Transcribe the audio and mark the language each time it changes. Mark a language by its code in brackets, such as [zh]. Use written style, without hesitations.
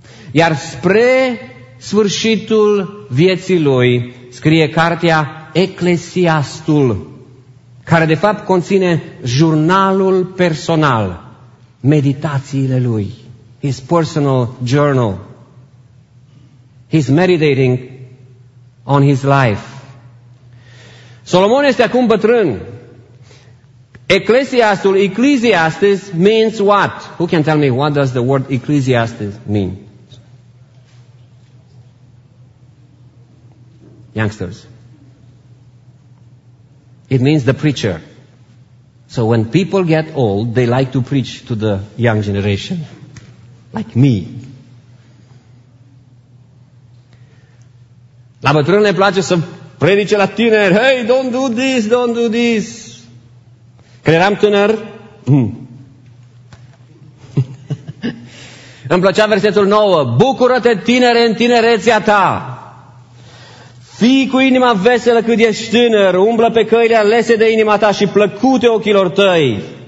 [ro] Iar spre sfârșitul vieții lui, scrie cartea Eclesiastul, care de fapt conține jurnalul personal, meditațiile lui, [en] his personal journal, he's meditating on his life. [ro] Solomon este acum bătrân. [en] Ecclesiastul, Ecclesiastes means what? Who can tell me what does the word Ecclesiastes mean? Youngsters. It means the preacher. So when people get old, they like to preach to the young generation. Like me. [ro] La bătrân le place să predice la tineri. [en] Hey, don't do this, don't do this. [ro] Când eram tânăr, îmi plăcea versetul 9, bucură-te, tinere, în tinerețea ta. Fii cu inima veselă cât ești tânăr, umblă pe căile alese de inima ta și plăcute ochilor tăi.